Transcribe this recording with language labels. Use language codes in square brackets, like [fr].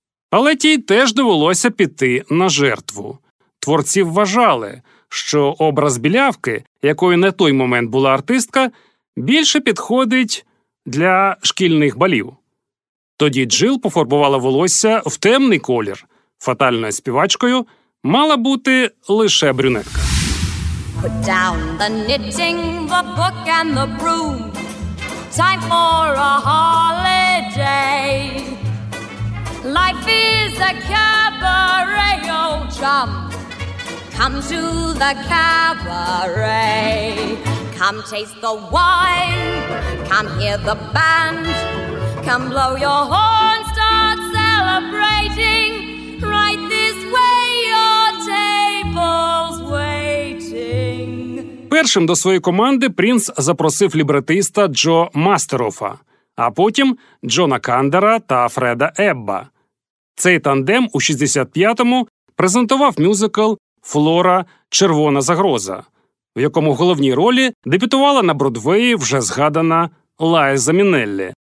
[uk] Але тій теж довелося піти на жертву. Творці вважали, що образ білявки, якою на той момент була артистка, більше підходить для шкільних балів. Тоді Джил пофарбувала волосся в темний колір. Фатальною співачкою мала бути лише брюнетка. [en] Put down the knitting, the book and the broom. Time for a holiday. Life is a cabaret, oh chum. Come to the cabaret. Come taste the wine. Come hear the band. Come blow your horn. Start celebrating. Right this way, your table's waiting. [uk] Першим до своєї команди Прінс запросив лібретиста Джо Мастерофа, а потім Джона Кандера та Фреда Ебба. Цей тандем у 65-му презентував мюзикл «Флора. Червона загроза», в якому головні ролі дебютувала на Бродвеї вже згадана Лайза Мінеллі.